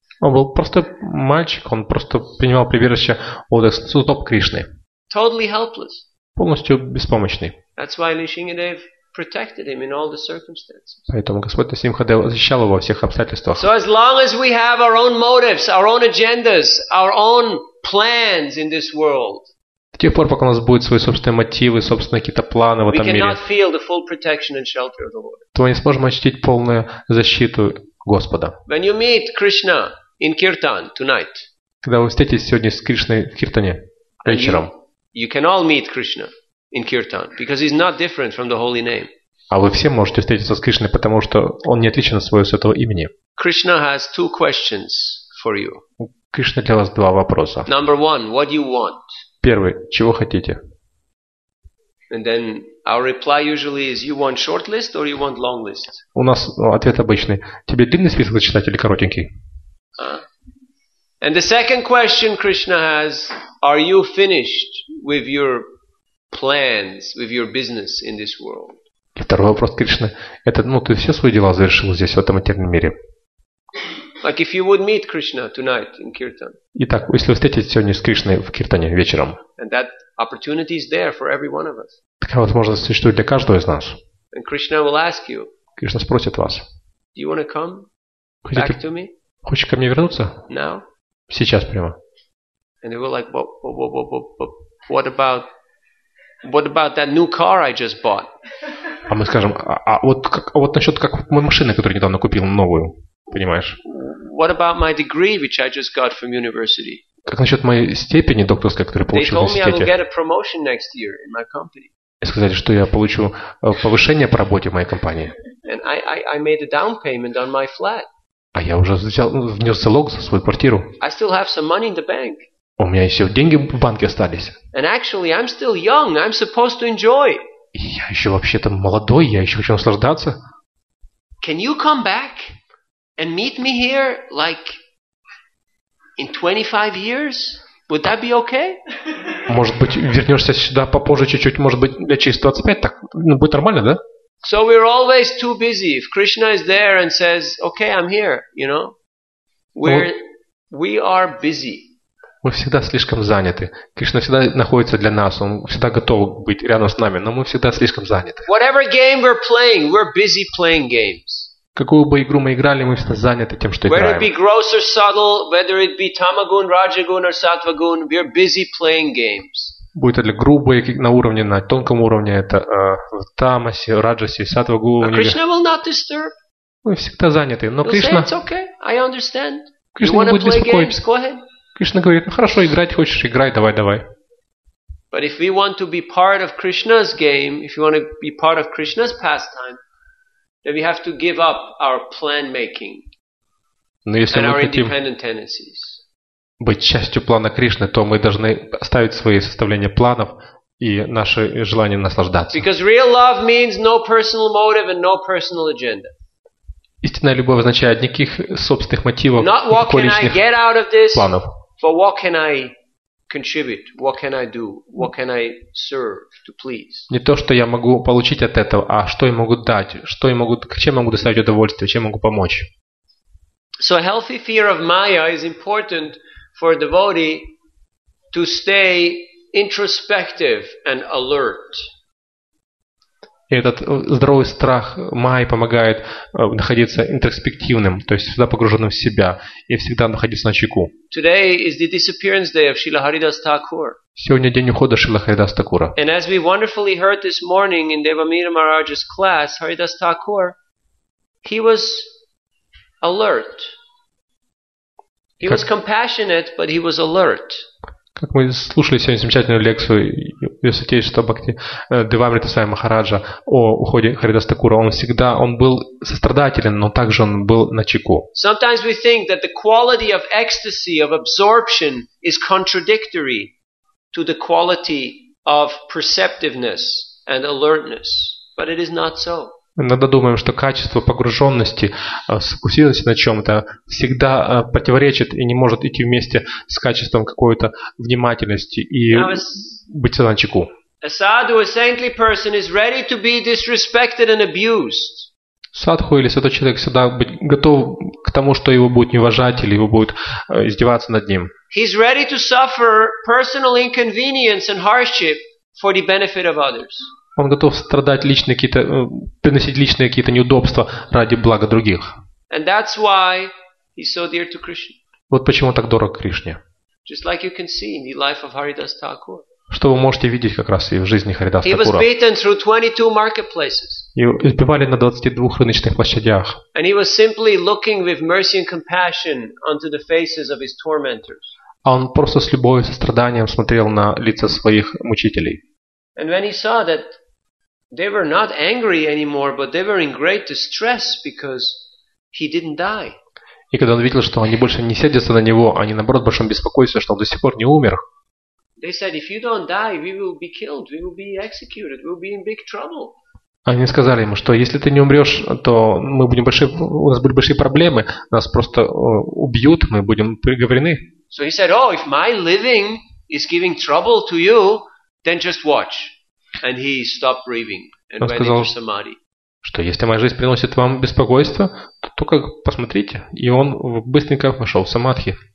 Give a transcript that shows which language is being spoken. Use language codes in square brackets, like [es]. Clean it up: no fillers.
[ru] Он был просто мальчик, он просто принимал прибежище от стоп Кришны. [en] Totally helpless. [ru] Полностью беспомощный. [en] That's why Nishingadev protected him in all the circumstances. [ru] Поэтому Господь Нисимхадева защищал его во всех обстоятельствах. [en] So as long as we have our own motives, our own agendas, our own plans in this world. [ru] До тех пор, пока у нас будут свои собственные мотивы, собственные какие-то планы в этом мире. [en] We cannot feel the full protection and shelter of the Lord. [ru] То мы не сможем ощутить полную защиту Господа. [en] When you meet Krishna in Kirtan tonight. [ru] Когда вы встретитесь сегодня с Кришной в Киртане вечером. [en] You can all meet Krishna in Kirtan, because he's not different from the holy name. [ru] А вы все можете встретиться с Кришной, потому что он не отличен от своего святого имени. [en] Krishna has two questions for you. [ru] У Кришны для вас два вопроса. [en] Number one, what do you want? [ru] Первый, чего хотите? [en] And then our reply usually is, you want short list or you want long list? [ru] У нас ответ обычный. Тебе длинный список зачитать или коротенький? [en] And the second question Krishna has, are you finished with your plans with your business in this world? [ru] Второй вопрос Кришны. Это, ну, ты все свои дела завершил здесь, в этом материальном мире. [en] Like if you would meet Krishna tonight in Kirtan. [ru] Итак, если вы встретитесь сегодня с Кришной в Киртане вечером. [en] And that opportunity is there for every one of us. [ru] Такая возможность существует для каждого из нас. [en] And Krishna will ask you. [ru] Кришна спросит вас. [en] Do you want to come back to me? [ru] Хочешь ко мне вернуться? [en] Now? [ru] Сейчас прямо. [en] And they were like, what about that new car I just bought? [ru] А мы скажем, вот насчет как моей машины, которую недавно купил, новую, понимаешь? [en] What about my degree, which I just got from university? [ru] Как насчет моей степени докторской, которую получил в университете? [en] They told me I will get a promotion next year in my company. [ru] И сказали, что я получу повышение по работе в моей компании. [en] And I made a down payment on my flat. [ru] А я уже внес залог за свою квартиру. [en] I still have some money in the bank. [ru] У меня еще деньги в банке остались. [en] And actually, I'm still young. I'm supposed to enjoy. [ru] И я еще вообще-то молодой, я еще хочу наслаждаться. [en] Can you come back and meet me here like in 25 years? Would that be okay? [ru] Может быть, вернешься сюда попозже чуть-чуть, может быть, через 25, так, ну, будет нормально, да? [en] So we're always too busy. If Krishna is there and says, okay, I'm here, you know, we are busy. [ru] Мы всегда слишком заняты. Кришна всегда находится для нас. Он всегда готов быть рядом с нами. Но мы всегда слишком заняты. [en] Whatever game we're playing, we're busy playing games. [ru] Какую бы игру мы играли, мы всегда заняты тем, что [en] whether [ru] играем. [en] Whether it be gross or subtle, whether it be tamagun, rajagun or sattvagun, we're busy playing games. [ru] будет ли грубое на уровне, на тонком уровне, это в тамасе, раджасе, сатвагу. [en] But Krishna will not disturb. [ru] Мы всегда заняты, но Кришна... [en] It's okay. I understand. [ru] Кришна не будет беспокоить. [en] Games? Go ahead. [ru] Кришна говорит, ну хорошо, играть хочешь, играй, давай, давай. [en] But if we want to be part of Krishna's game, if you want to be part of Krishna's pastime, then we have to give up our plan making and our independent tendencies. [ru] Быть частью плана Кришны, то мы должны оставить свои составления планов и наше желание наслаждаться. [en] Because real love means no personal motive and no personal agenda. [ru] Истинная любовь означает никаких собственных мотивов, никаких личных планов. [en] For what can I contribute? What can I do? What can I serve to please? [ru] Не то, что я могу получить от этого, а что я могу дать, что я могу, чем могу доставить удовольствие, чем могу помочь. [en] So a healthy fear of Maya is important for a devotee to stay introspective and alert. [ru] И этот здоровый страх Майи помогает находиться интроспективным, то есть всегда погруженным в себя и всегда находиться на чеку. [en] Today is the disappearance day of Srila Haridas Thakur. [ru] Сегодня день ухода Шрила Харидас Такура. [en] And as we wonderfully heard this morning in Devamira Maharaj's class, Haridas Thakur, he was alert. He was compassionate, but he was alert. [ru] Как мы слушали сегодня замечательную лекцию Ее Святейшества Бхакти Девамрита Свами Махараджа о уходе Харидас Такура, он всегда, он был сострадателен, но также он был на чеку. [en] Sometimes we think that the quality of ecstasy, of absorption is contradictory to the quality of perceptiveness and alertness. But it is not so. [ru] Иногда думаем, что качество погруженности, сфокусированности на чем-то, всегда противоречит и не может идти вместе с качеством какой-то внимательности и быть всегда на чеку. [en] A sadhu, a saintly person is ready to be disrespected and abused. [ru] Садху или святой человек всегда быть готов к тому, что его будут не уважать или его будут издеваться над ним. [en] He's ready to suffer personal inconvenience and hardship for the benefit of others. [ru] Он готов страдать личные какие-то, приносить личные какие-то неудобства ради блага других. [en] And that's why he's so dear to Krishna. [ru] Вот почему он так дорог Кришне. [en] Just like you can see in the life of Haridas Thakur. [ru] Что вы можете видеть как раз и в жизни Харидас Такура. [en] He was beaten through 22 marketplaces. [ru] Его избивали на 22 рыночных площадях. [en] And he was simply looking with mercy and compassion onto the faces of his tormentors. [ru] А он просто с любовью и состраданием смотрел на лица своих мучителей. [en] And when he saw that they were not angry anymore, but they were in great distress because he didn't die. [ru] И когда он видел, что они больше не сердятся на него, они наоборот в большом беспокойстве, что он до сих пор не умер. [en] They said, if you don't die, we will be killed, we will be executed, we'll be in big trouble. [ru] Они сказали ему, что если ты не умрешь, то мы будем большие, у нас будут большие проблемы, нас просто убьют, мы будем приговорены. [en] So he said, oh, if my living is giving trouble to you, then just watch. And he stopped breathing and went into samadhi. [ru] Что если моя жизнь приносит вам беспокойство, то только посмотрите. И он быстренько вошел в самадхи.